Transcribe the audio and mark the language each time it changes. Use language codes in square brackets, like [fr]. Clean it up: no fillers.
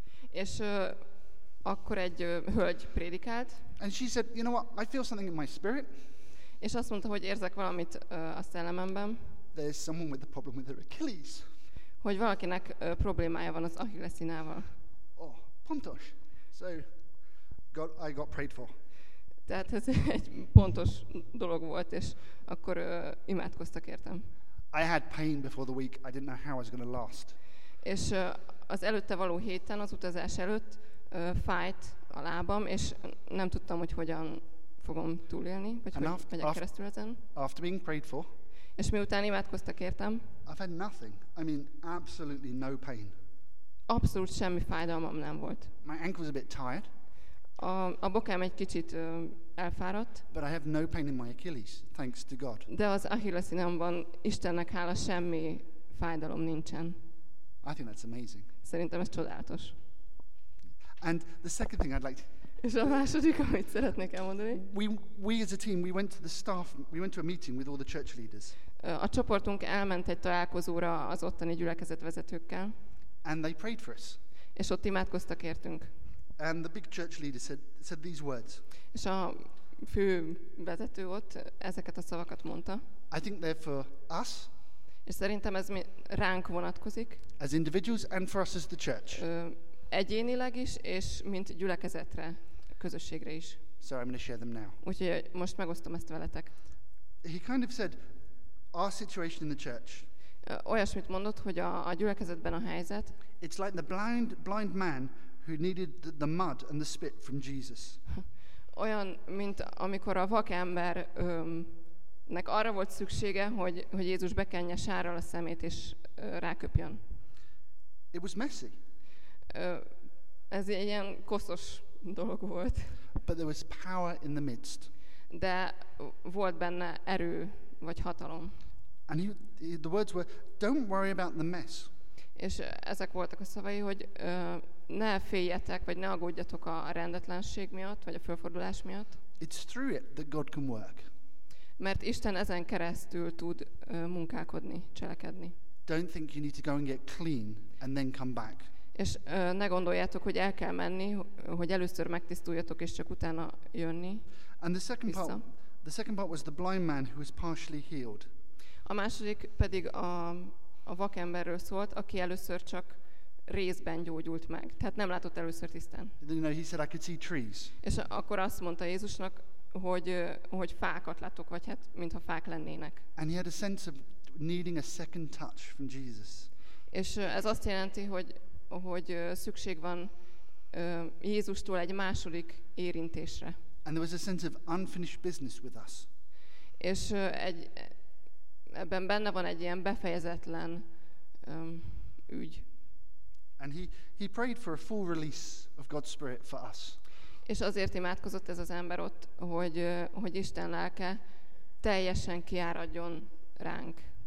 [hu] És akkor egy hölgy prédikált. [en] And she said, you know what? I feel something in my spirit. [hu] És azt mondta, hogy érzek valamit a szellememben. [en] There's someone with a problem with their Achilles. [hu] Hogy valakinek problémája van az Achillessinával. Oh, pontos. [en] So, I got prayed for. [hu] Tehát ez egy pontos dolog volt, és akkor imádkoztak értem. [en] I had pain before the week. I didn't know how I was going to last. [hu] És az előtte való héten, az utazás előtt fájt a lábam, és nem tudtam, hogy hogyan fogom túlélni, vagy [en] and [hu] hogy after, megyek keresztül ezen. [en] After being prayed for, [hu] és miután imádkoztak értem, [en] I've had nothing. I mean, absolutely no pain. [hu] Abszolút semmi fájdalmam nem volt. [en] My ankle was a bit tired. [hu] A bokám egy kicsit elfáradt. [en] But I have no pain in my Achilles, thanks to God. [hu] De az Achillessinámban, Istennek hála, semmi fájdalom nincsen. [en] I think that's amazing. [hu] Szerintem ez csodálatos. [en] And the second thing I'd like to. [hu] És a második, amit szeretnék elmondani. [en] We as a team, we went to the staff, we went to a meeting with all the church leaders. [hu] A csoportunk elment egy találkozóra az ottani gyülekezet vezetőkkel. [en] And they prayed for us. [hu] És ott imádkoztak értünk. [en] And the big church leader said these words. [hu] És a fő vezető ott ezeket a szavakat mondta. [en] I think they're for us. [hu] És szerintem ez ránk vonatkozik. [en] As individuals and for us as the church. [hu] Egyénileg is, és mint gyülekezetre, közösségre is. [en] So I'm going to share them now. [hu] Úgyhogy most megosztom ezt veletek. [en] He kind of said, our situation in the church. [hu] Olyasmit mondott, hogy a gyülekezetben a helyzet. [en] It's like the blind man who needed the mud and the spit from Jesus. [hu] Olyan, mint amikor a vak ember nek arra volt szüksége, hogy Jézus bekenje sárral a szemét és ráköpjön. [en] It was messy. [hu] Ez egy ilyen koszos dolog volt. [en] But there was power in the midst. [hu] De volt benne erő vagy hatalom. [en] And the words were, don't worry about the mess. [hu] És ezek voltak a szavai, hogy ne féljetek, vagy ne aggódjatok a rendetlenség miatt, vagy a fölfordulás miatt. [en] It's through it that God can work. [hu] Mert Isten ezen keresztül tud munkálkodni, cselekedni. [en] Don't think you need to go and get clean and then come back. [hu] És ne gondoljátok, hogy el kell menni, hogy először megtisztuljatok és csak utána jönni. [en] And the second part was the blind man who was partially healed. [hu] A második pedig a vakemberről szólt, aki először csak részben gyógyult meg. Tehát nem látott először tisztán. [en] You know, he said, I could see trees. [hu] És akkor azt mondta Jézusnak, hogy fákat látok, vagy hát mintha fák lennének. [en] And he had a sense of needing a second touch from Jesus. [hu] És ez azt jelenti, hogy szükség van Jézustól egy második érintésre. [en] And there was a sense of unfinished business with us. [hu] És ebben benne van egy ilyen befejezetlen ügy. [en] And he prayed for a full release of God's Spirit for us. [hu] És azért imádkozott ez az ember ott, hogy Isten lelke teljesen kiáradjon ránk.